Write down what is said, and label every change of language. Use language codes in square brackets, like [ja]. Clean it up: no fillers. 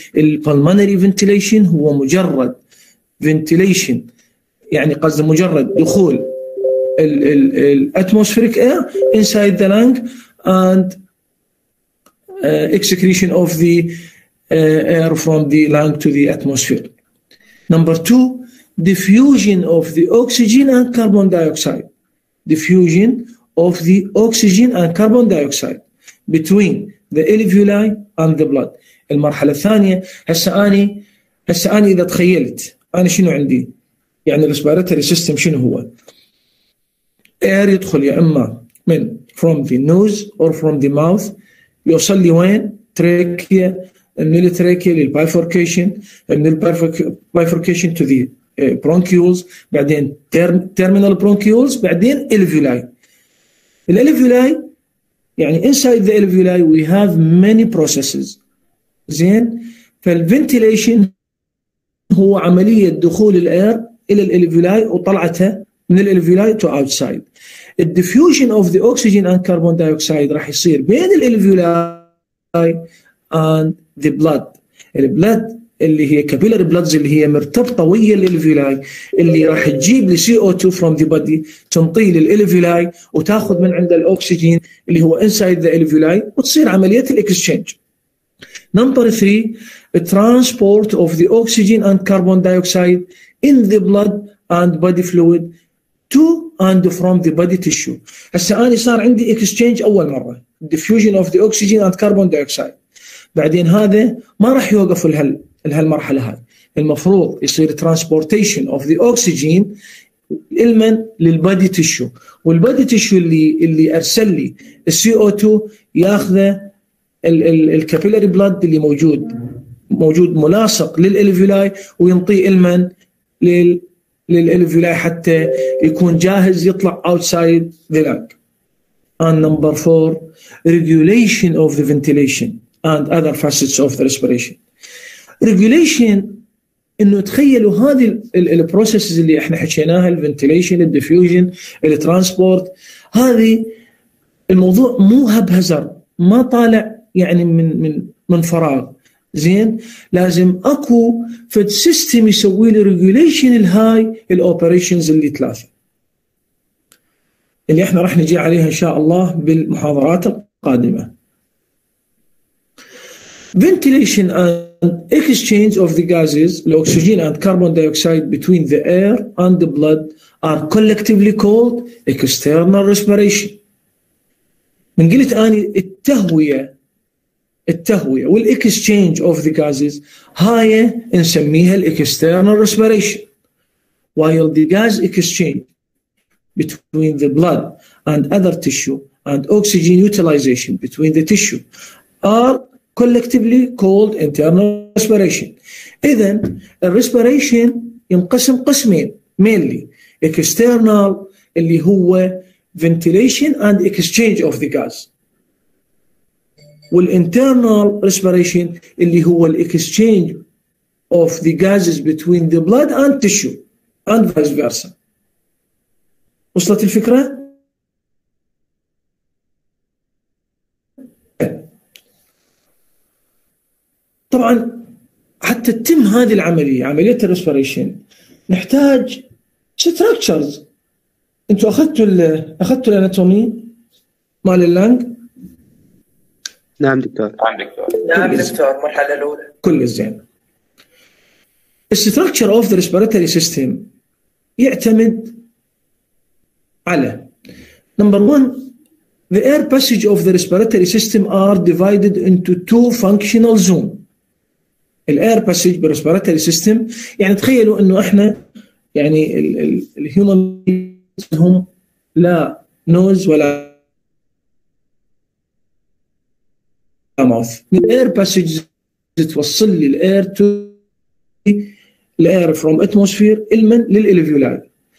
[en] البلمونري ventilation هو مجرد ventilation, [ar] يعني قصد مجرد دخول ال [en] atmospheric air inside the lung and excretion of the air from the lung to the atmosphere. Number two, diffusion of the oxygen and carbon dioxide. Diffusion of the oxygen and carbon dioxide between the alveoli and the blood. [ar] المرحلة الثانية, هسه أنا إذا تخيلت أنا شنو عندي, يعني الريسبيراتوري سيستم شنو هو؟ Air يدخل يا إما من [en] from the nose or from the mouth, [ar] يوصل لي وين؟ تراكيا. من التراكيا للبايفوركيشن, من البايفوركيشن [en] to the bronchioles, [ar] بعدين terminal bronchioles, بعدين alveoli. الالفيولاي يعني [en] inside the alveoli we have many processes. زين, فالventilation [ar] هو عملية دخول الاير إلى الالفيولاي وطلعته من الالفيولاي [en] to outside. The diffusion of the oxygen and carbon dioxide [ar] راح يصير بين الالفيولاي [en] and the blood. [ar] البلد اللي هي capillary bloods اللي هي مرتبطة ويا الالفيولاي اللي راح تجيب ل [en] CO2 from the body [ar] تنطي للالفيولاي وتاخذ من عند الاكسجين اللي هو [en] inside the alveoli [ar] وتصير عملية الاكسشينج. [en] Number three, transport of the oxygen and carbon dioxide in the blood and body fluid to and from the body tissue. [ar] هسه أنا صار عندي [en] exchange أول مرة, diffusion of the oxygen and carbon dioxide. [ar] بعدين هذا ما رح يوقف المرحلة هاي. المفروض يصير [en] transportation of the oxygen [ar] لمن؟ للبادي تيشو. والبادي تيشو اللي أرسل لي CO2 يأخذه الكابيلاري بلاد اللي موجود ملاصق للالفيولاي وينطيه المن للالفيولاي حتى يكون جاهز يطلع [en] outside the lung. And number four, regulation of the ventilation and other facets of the respiration. [ar] Regulation انه تخيلوا هذه البروسيسز اللي احنا حكيناها, الفنتيليشن, الديفيوجن, الترانسبورت, هذه الموضوع مو هبهزر, ما طالع يعني من من من فراغ. زين, لازم اكو فد سيستم يسوي لي ريجوليشن الهاي الاوبريشنز اللي ثلاثه اللي احنا راح نجي عليها ان شاء الله بالمحاضرات القادمه. [en] Ventilation and exchange of the gases, the oxygen and carbon dioxide between the air and the blood are collectively called external respiration. [ar] من قلت أنا التهوية وال [en] exchange of the gases [ar] هاي نسميها external respiration. [en] While the gas exchange between the blood and other tissue and oxygen utilization between the tissue are collectively called internal respiration. [ar] إذن [en] respiration ينقسم قسمين, mainly external اللي هو ventilation and exchange of the gas, والinternal respiration اللي هو exchange of the gases between the blood and tissue and vice versa. [ar] وصلت الفكرة؟ طبعا حتى تتم هذه العملية, عملية الريسبيريشن, نحتاج ستراكشرز. انتوا اخذتوا الاناتومي مال اللانج؟ نعم دكتور. مرحلة الاولى كل الزين. [en] الستراكشر of the respiratory system [ar] يعتمد على [en] Number 1, the air passage of the respiratory system are divided into two functional zones. [ar] الاير باسج بالريسبيراتوري سيستم, يعني تخيلوا انه احنا يعني الهيومن هم لا نوز ولا ماوث. [en] الاير باسج توصل لي الاير تو الاير فروم اتموسفير [ar] المن للالفيولاي.